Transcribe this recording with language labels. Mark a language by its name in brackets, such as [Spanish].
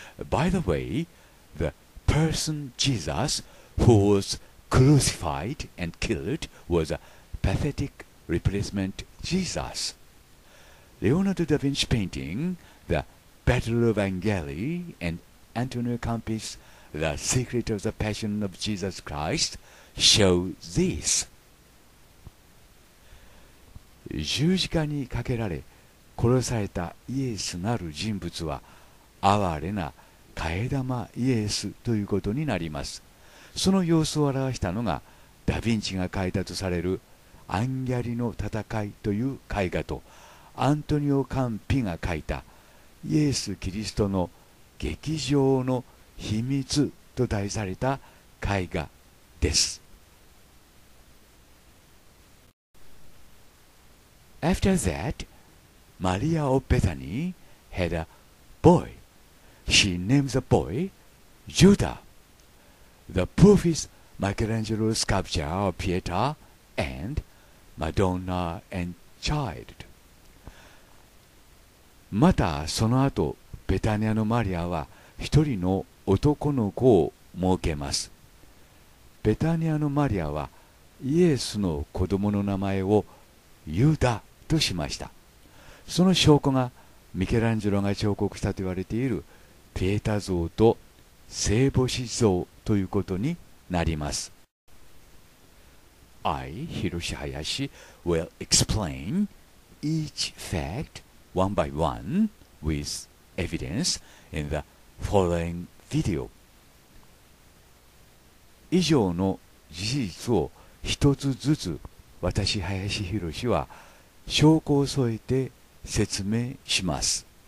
[English] By the way, the person Jesus who was crucified and killed was a pathetic replacement Jesus. Leonardo da Vinci's painting, The Battle of Angeli, and Antonio Campi's The Secret of the Passion of Jesus Christ show this. [Japanese] 十字架にかけられ殺されたイエスなる人物は哀れな替え玉イエスということになります。その様子を表したのがダ・ヴィンチが書いたとされるアンギャリの戦いという絵画とアントニオ・カンピが書いたイエス・キリストの劇場の秘密と題された絵画です。 [English] After that, Maria of Bethany had a boy. She named the boy Judah. The proof is Michelangelo's sculpture of Pietà and Madonna and Child. [Japanese] またその後、ベタニアのマリアは一人の男の子を設けます。ベタニアのマリアはイエスの子供の名前をユダとしました。その証拠がミケランジェロが彫刻したと言われているピエタ像と聖母子像ということになります。 [English] I, Hiroshi Hayashi, will explain each fact one by one with evidence in the following video. [Japanese] 以上の事実を一つずつ私、林博士は証拠を添えて説明します。